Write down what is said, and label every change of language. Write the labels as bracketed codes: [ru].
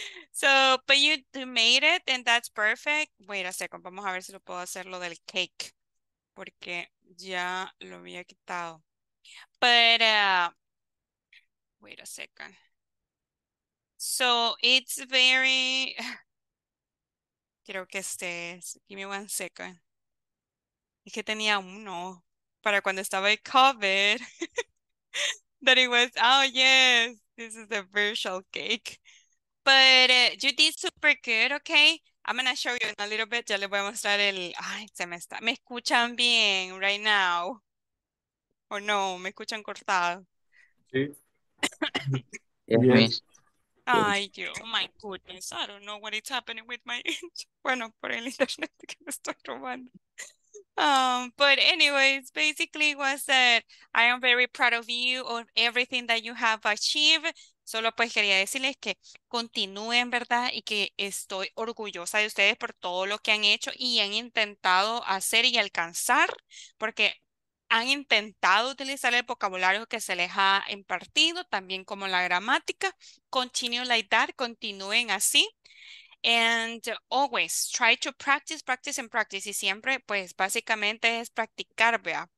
[en] So, but you made it and that's perfect. Wait a second, [es] vamos a ver si lo puedo hacer lo del cake. Porque ya lo había quitado. [en] But, wait a second. So it's very, [es] creo que este es, [en] give me one second. [es] Es que tenía uno para cuando estaba el COVID. [en] That it was, oh yes, this is the virtual cake. But you did super good, okay? I'm gonna show you in a little bit. [es] Ya le voy a mostrar el, ay, se me está, me escuchan bien [en] right now. [es] Or no, me escuchan cortado. Sí. [en] Yes. [es] Ay, Dios, [en] oh my goodness, I don't know what is happening with my internet. [es] Bueno, por el internet que me estoy robando. [en] But anyways, basically was that I am very proud of you on everything that you have achieved. [es] Solo pues quería decirles que continúen, ¿verdad? Y que estoy orgullosa de ustedes por todo lo que han hecho y han intentado hacer y alcanzar, porque han intentado utilizar el vocabulario que se les ha impartido, también como la gramática. [en] Continue like that, [es] continúen así. [en] And always try to practice, practice, and practice. [es] Y siempre, pues, básicamente es practicar, vea.